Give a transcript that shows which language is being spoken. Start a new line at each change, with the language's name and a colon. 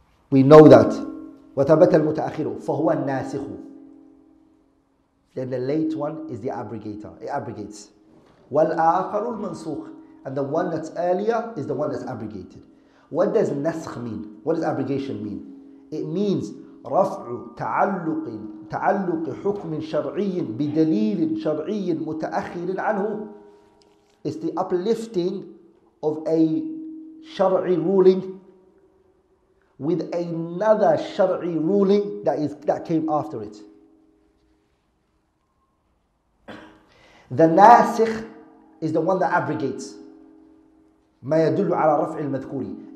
English: We know that.
Arabic: وَثَبَتَ الْمُتَأَخِرُ فَهُوَ النَّاسِخُ.
English: Then the late one is the abrogator. It abrogates.
Arabic: وَالْآخَرُ الْمَنْسُخُ.
English: And the one that's earlier is the one that's abrogated. What does نَسْخ mean? What does abrogation mean? It means
Arabic: رفع تعلق حكم شرعي بدليل شرعي متأخر عنه.
English: It's the uplifting of a شرعي ruling with another شرعي ruling that came after it. The ناسخ is the one that abrogates
Arabic: ما يدل على رفع المذكوري.